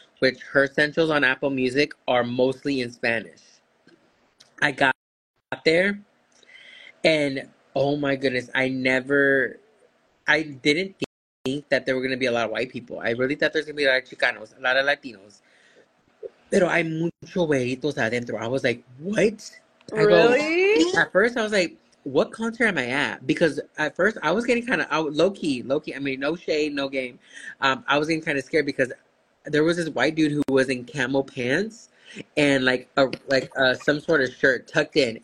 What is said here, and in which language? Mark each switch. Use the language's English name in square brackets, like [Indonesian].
[English] Which her essentials on Apple Music are mostly in Spanish. I got there, and oh my goodness, I didn't think that there were gonna be a lot of white people. I really thought there's gonna be a lot of Chicanos, a lot of Latinos. [Spanish] Pero hay mucho güeritos adentro. [English] I was like, what? Really? At first, I was like, what concert am I at? Because at first, I was getting kind of low key. I mean, no shade, no game. I was getting kind of scared because there was this white dude who was in camo pants and like some sort of shirt tucked in.